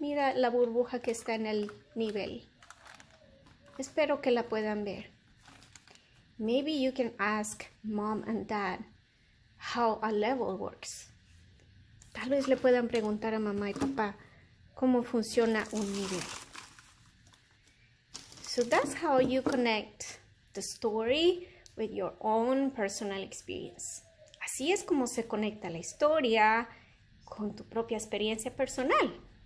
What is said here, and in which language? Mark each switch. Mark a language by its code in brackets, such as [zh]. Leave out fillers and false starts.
[es] Mira la burbuja que está en el nivel. Espero que la puedan ver. [en] Maybe you can ask mom and dad how a level works. [es] Tal vez le puedan preguntar a mamá y papá cómo funciona un nivel. [en] So that's how you connect the story with your own personal experience. [es] Así es como se conecta la historia con tu propia experiencia personal.